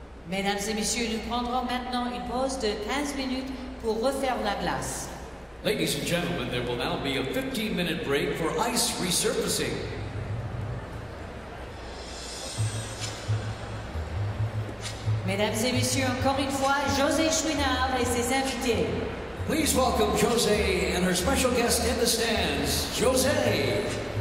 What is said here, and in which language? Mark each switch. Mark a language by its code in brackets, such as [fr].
[fr] Mesdames et messieurs, nous prendrons maintenant une pause de 15 minutes pour refaire la glace. [en] Ladies and gentlemen, there will now be a 15-minute break for ice resurfacing. [fr] Mesdames et messieurs, encore une fois, José Chouinard et ses invités. [en] Please welcome José and her special guest in the stands, José.